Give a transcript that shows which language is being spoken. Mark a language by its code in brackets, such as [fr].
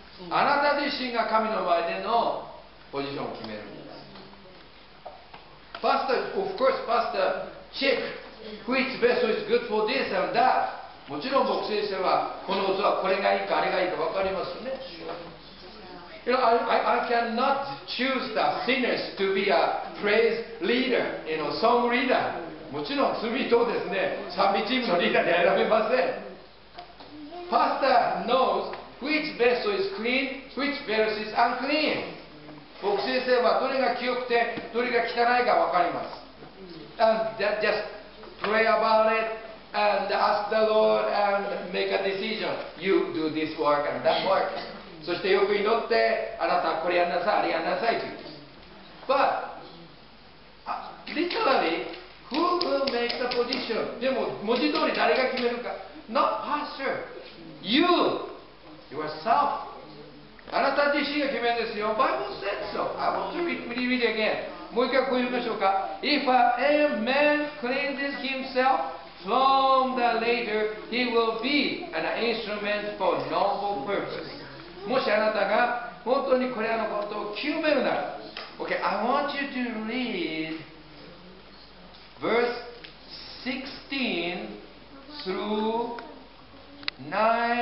[ja] あなた自身が神の前でのポジションを決める。 [en] Pastor, of course, Pastor, check which vessel is good for this and that. [ja] もちろん牧師先生はこの器はこれがいいかあれがいいか分かりますね。 [en] You know, I cannot choose the sinners to be a praise leader, you know, song leader. [ja] もちろん罪人ですね。賛美チームのリーダーで選べません。 [en] Pastor knows which vessel is clean, which vessel is unclean. [ja] 牧師先生はどれが清くてどれが汚いか分かります。 [en] And just pray about it and ask the Lord and make a decision. You do this work and that work. [ja] そしてよく祈って、あなたこれやんなさい、あれやんなさいと言います。 [en] But, literally, who will make the position? [ja] でも文字通り誰が決めるか。 [en] Not pastor. You, yourself. [ja] あなた自身が決めるんですよ。 [en] Bible said so. I want to read again. [ja] もう一回こう言いましょうか。 [en] If a man cleanses himself from the latter, he will be an instrument for noble purpose. [ja] もしあなたが本当にこれらのことを清めるなら。 [en] Okay, I want you to read verse 16 through 9.